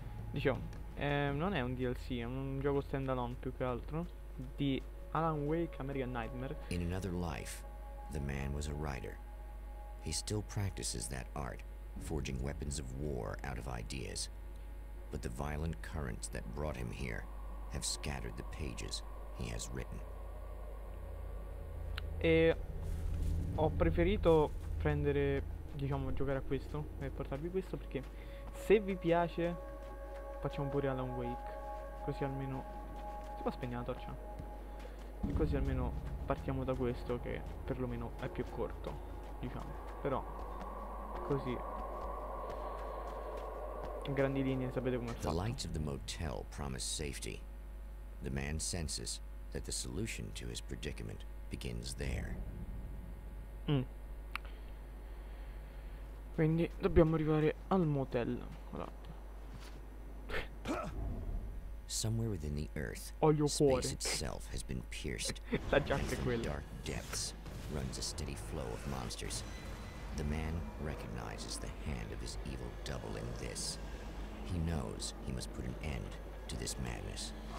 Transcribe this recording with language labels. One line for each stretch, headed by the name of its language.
Italian: Diciamo, non è un DLC, è un gioco standalone più che altro di Alan Wake American Nightmare.
English: In another life, the man was a writer. He still practices that art, forging weapons of war out of ideas. But the violent currents that brought him here have scattered the pages he has written.
Italian: E ho preferito prendere, diciamo, giocare a questo e portarvi questo perché se vi piace facciamo pure Alan Wake, così almeno si può spegnere la torcia e così almeno partiamo da questo che perlomeno è più corto, diciamo, però così in grandi linee sapete come è fatto.
English: The lights of the motel promise safety. The man senses that the solution to his predicament begins there.
Italian: Quindi dobbiamo arrivare al motel.
English: Somewhere within the earth, space itself has been pierced.
Italian: La giacca è quella.
English: Dark depths runs a steady flow of monsters. The man recognizes the hand of his evil double in this. He knows he must put an end to this madness.